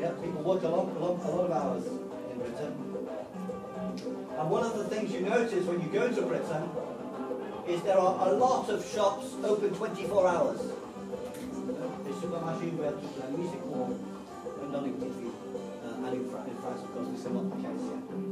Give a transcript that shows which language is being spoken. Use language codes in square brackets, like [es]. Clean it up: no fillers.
[en] Yeah, people work a lot of hours in Britain. And one of the things you notice when you go to Britain is there are a lot of shops open 24 hours. [fr] Les supermarchés ouverts toute la nuit, c'est courant. Même dans les petites villes. [en] And in France, of course, this is not the case here.